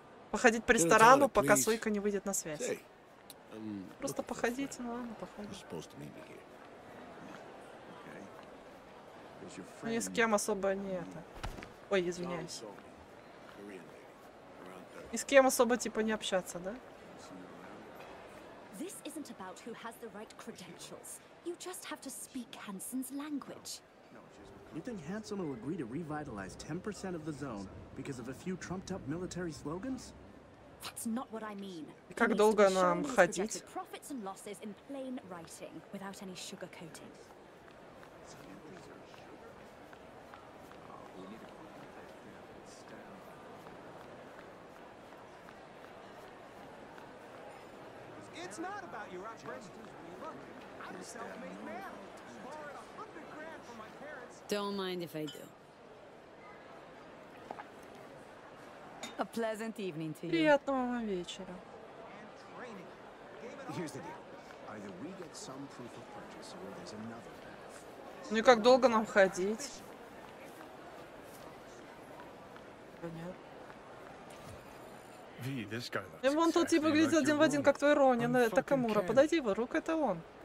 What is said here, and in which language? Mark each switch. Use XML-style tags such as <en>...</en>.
<ru>Походить по ресторану, пока Сойка не выйдет на связь. Просто походите, ну ладно, походим. Ну, ни с кем особо не это. Ой, извиняюсь. И с кем особо типа не общаться, да?</ru> <en>This isn't about who has the right credentials. You just have to speak Hansen's language. You think Hansen will agree to revitalize 10% of the zone because of a few trumped up military slogans? That's not what I mean.</en> <ru>Как долго нам ходить?</ru> <en>Profits and losses in plain writing, without any sugar coating. It's not about your upbringing. Look, I'm a self-made man. Don't mind if I do. A pleasant evening to you.</en> <ru>Приятного вам вечера.</ru> <en>Here's the deal. Either we get some proof of purchase, or there's another path.</en> <ru>Ну и как долго нам ходить? Понятно. И вон тот тип выглядит один в один, как твой Ронин. Такамура, подойди, Варук, это он.</ru>